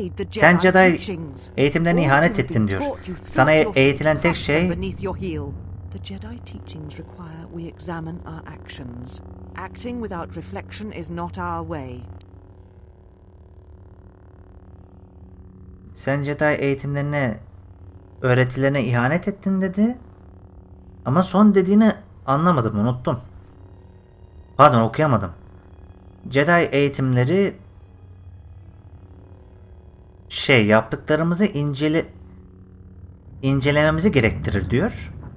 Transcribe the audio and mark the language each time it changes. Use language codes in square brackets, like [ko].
[tr] Sen Jedi eğitimlerine ihanet ettin diyor. Sana eğitilen tek şey... [en] The Jedi teachings require we examine our actions. Acting without reflection is not our way. [tr] Sen Jedi eğitimlerine, öğretilerine ihanet ettin dedi. Ama son dediğini anlamadım, unuttum. Pardon, okuyamadım. Jedi eğitimleri yaptıklarımızı incelememizi gerektirir diyor.